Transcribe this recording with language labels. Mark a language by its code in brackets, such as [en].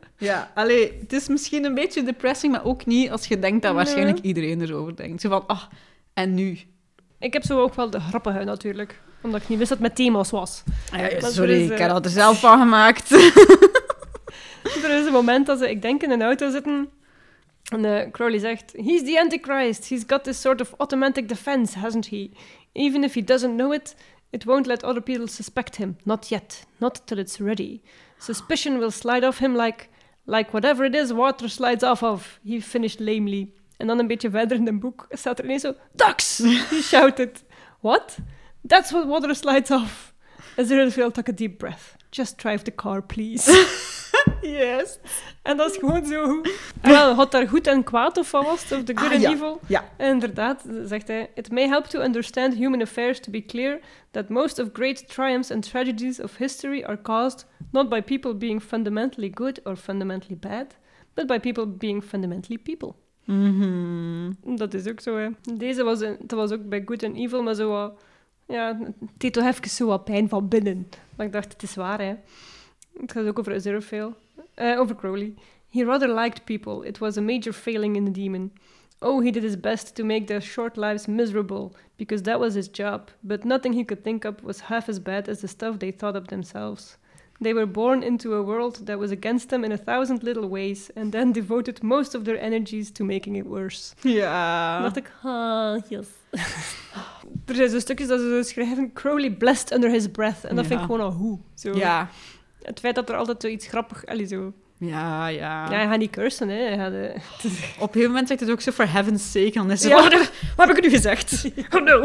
[nl] Ja, allee, het is misschien een beetje depressing, maar ook niet als je denkt dat waarschijnlijk iedereen erover denkt. Zo van, ah, en nu? Ik heb zo ook wel de grappige natuurlijk. Omdat ik niet wist dat het met thema's was. Ja, sorry, ik had het er zelf van gemaakt. Er is een moment dat ze, ik denk, in een auto zitten. En Crowley zegt, [en] he's the Antichrist. He's got this sort of automatic defense, hasn't he? Even if he doesn't know it... It won't let other people suspect him. Not yet. Not till it's ready. Suspicion will slide off him like whatever it is, water slides off of. He finished lamely. [nl] En dan een beetje verder in het boek staat er ineens zo... [en] Ducks! He shouted. What? That's what water slides off. Azrael Field took a deep breath. Just drive the car, please. Yes. [nl] En dat is gewoon zo... Wel, had daar goed en kwaad of van was? [en] Of the good and evil? [nl] Ja. Inderdaad, zegt hij... [en] It may help to understand human affairs to be clear... that most of great triumphs and tragedies of history are caused... not by people being fundamentally good or fundamentally bad... but by people being fundamentally people. Mm-hmm. [nl] Dat is ook zo, hè. Deze was, het was ook bij good and evil, maar zo wat... Ja, het deed toch even zo wat pijn van binnen. Maar ik dacht, het is waar, hè. Het gaat ook over Aziraphale. [en] Over Crowley. He rather liked people. It was a major failing in the demon. Oh, he did his best to make their short lives miserable, because that was his job. But nothing he could think up was half as bad as the stuff they thought up themselves. They were born into a world that was against them in 1,000 little ways, and then devoted most of their energies to making it worse. Yeah. [nl] Dacht ik, yes. Er zijn zo stukjes dat ze zo schrijven, [en] Crowley blessed under his breath. [nl] En dat vind ik gewoon al hoe. Ja. Het feit dat er altijd zoiets grappig, allee, zo Ja, ja. Ja, hij gaat niet cursen, hè. Hij gaat, Op een moment zegt het ook zo, [en] for heaven's sake. [nl] En dan is het, ja. Wat heb ik nu gezegd? [en] Oh no.